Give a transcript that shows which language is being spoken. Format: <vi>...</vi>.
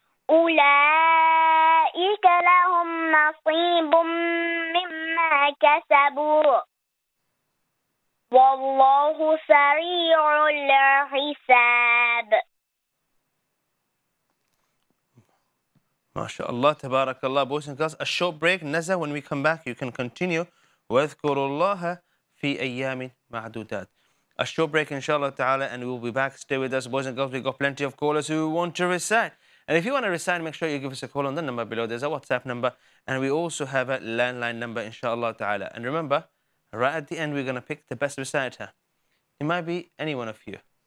<ar>أولئك لهم نصيب مما كسبوا والله سريع الحساب. ما شاء الله تبارك الله.</ar> <en>Boys and girls, a short break. Nessa, when we come back, you can continue.</en> <ar>واذكروا الله في أيام معدودات.</ar> <en>A short break, inshallah ta'ala, and we'll be back. Stay with us, boys and girls. We've got plenty of callers who want to recite. And if you want to recite, make sure you give us a call on the number below. There's a WhatsApp number, and we also have a landline number, inshallah ta'ala. And remember, right at the end, we're going to pick the best reciter. It might be any one of you.</en>